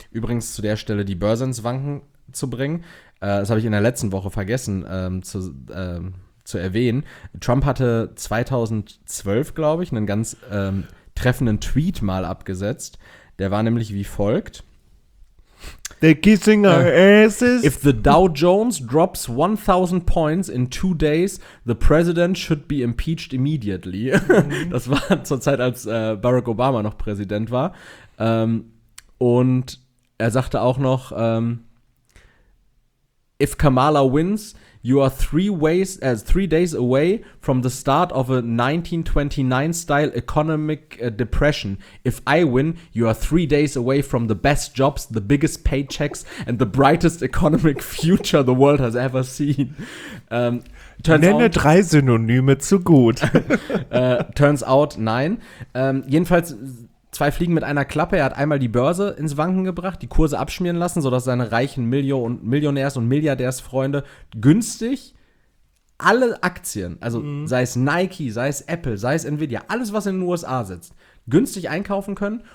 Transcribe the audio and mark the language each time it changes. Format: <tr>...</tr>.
<de>Übrigens zu der Stelle die Börse ins Wanken zu bringen. Das habe ich in der letzten Woche vergessen zu erwähnen. Trump hatte 2012, glaube ich, einen ganz treffenden Tweet mal abgesetzt. Der war nämlich wie folgt. Der Kissinger asses.</de> <en>If the Dow Jones drops 1000 points in 2 days, the president should be impeached immediately. Mhm.</en> <de>Das war zur Zeit, als Barack Obama noch Präsident war. Und er sagte auch noch,</de> <en>if Kamala wins, you are three days away from the start of a 1929-style economic depression. If I win, you are 3 days away from the best jobs, the biggest paychecks and the brightest economic future the world has ever seen.</en> <de>Nenne drei Synonyme zu gut.</de> <en>turns out,</en> <de>nein. Jedenfalls zwei Fliegen mit einer Klappe. Er hat einmal die Börse ins Wanken gebracht, die Kurse abschmieren lassen, sodass seine reichen Millionärs- und Milliardärsfreunde günstig alle Aktien, also sei es Nike, sei es Apple, sei es Nvidia, alles, was in den USA sitzt, günstig einkaufen können.</de>